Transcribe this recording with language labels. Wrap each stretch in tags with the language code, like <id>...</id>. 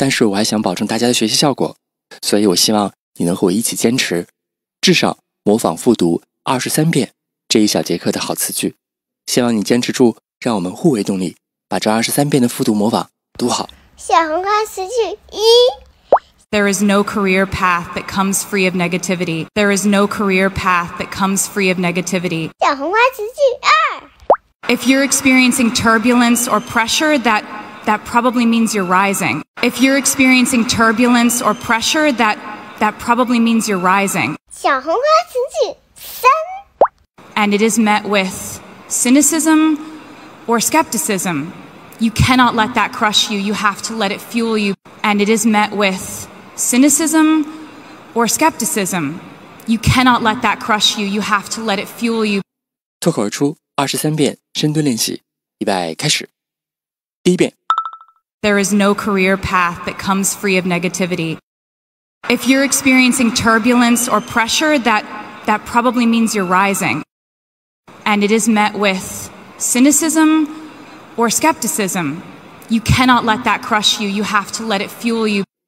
<zh>但是我还想保证大家的学习效果，所以我希望你能和我一起坚持，至少模仿复读23遍这一小节课的好词句。希望你坚持住，让我们互为动力，把这23遍的复读模仿读好。小红花词句一。</zh> <en>There is no career path that comes free of negativity. There is no career path that comes free of negativity.</en> <zh>小红花词句二。</zh> <en>If you're experiencing turbulence or pressure, that that probably means you're rising. If you're experiencing turbulence or pressure, that probably means you're rising.</en> <zh>小红花情绪三</zh> <en>And it is met with cynicism or skepticism. You cannot let that crush you. You have to let it fuel you. And it is met with cynicism or skepticism. You cannot let that crush you. You have to let it fuel you.</en> <zh>脱口而出23遍深蹲练习预备开始第一遍</zh> <en>There is no career path that comes free of negativity. If you're experiencing turbulence or pressure, that probably means you're rising. And it is met with cynicism or skepticism. You cannot let that crush you. You have to let it fuel you.</en>